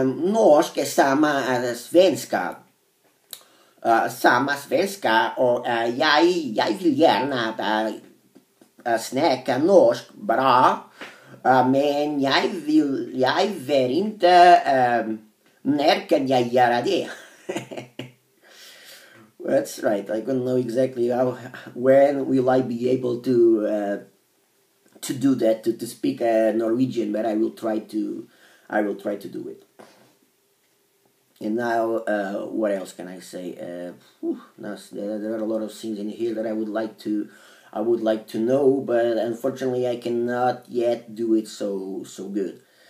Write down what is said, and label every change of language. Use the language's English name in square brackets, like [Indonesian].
[Norwegian] norsk er samme som svensk. [Swedish] Samma svenska och jag vill gärna snacka norsk bra. Men jag vill inte när kan jag göra det? [English] That's right. I don't know exactly how, when will I be able to do that, to speak Norwegian, but I will try to do it. And now, what else can I say? There are a lot of things in here that I would like to know, but unfortunately, I cannot yet do it so good.